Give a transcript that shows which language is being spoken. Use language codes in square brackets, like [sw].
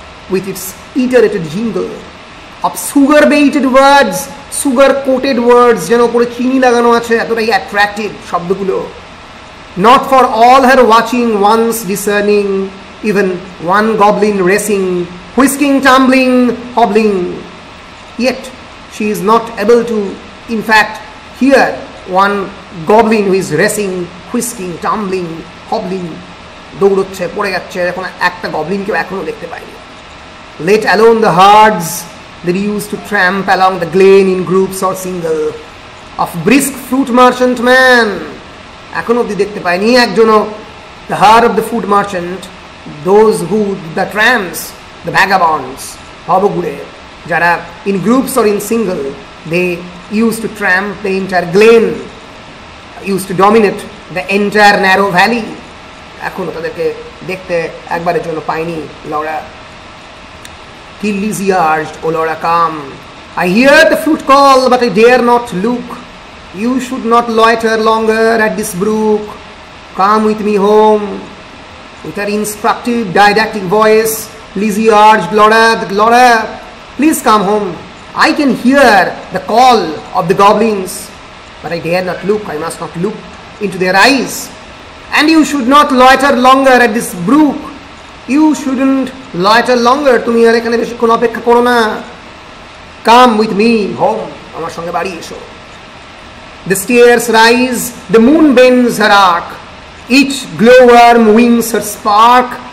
[en] With its iterated jingle of sugar baited words, sugar coated words, attractive, not for all her watching, once discerning, even one goblin racing, whisking, tumbling, hobbling. Yet she is not able to, in fact, hear one goblin who is racing, whisking, tumbling, hobbling. [bn] দৌড়চ্ছে পড়ে যাচ্ছে, এখন একটা Goblin কেউ এখনো দেখতে পাইনি। [en] let alone the herds that used to tramp along the glen in groups or single of brisk fruit merchant man, [bn] এখনো অব্দি দেখতে পাইনি একজনও। [en] the herd of the fruit merchant, those who the tramps the vagabonds ভবগুড়ে, যারা in groups or in single they used to tramp the entire glen, used to dominate the entire narrow valley, [bn] এখনও তাদেরকে দেখতে একবারের জন্য পাইনি [en] Laura. Kill is yard oh Laura come, I hear the fruit call but I dare not look, you should not loiter longer at this brook, come with me home. With her instructive didactic voice Lizzie yard Laura the Laura, please come home, I can hear the call of the goblins but I dare not look, I must not look into their eyes. And you should not loiter longer at this brook. You shouldn't loiter longer. [bn] তুমি আর এখানে বেশিক্ষণ অপেক্ষা করো না। [en] Come with me home. [bn] আমার সঙ্গে বাড়ি এসো। [en] The stairs rise. The moon bends her arc. Each glowworm wings her spark.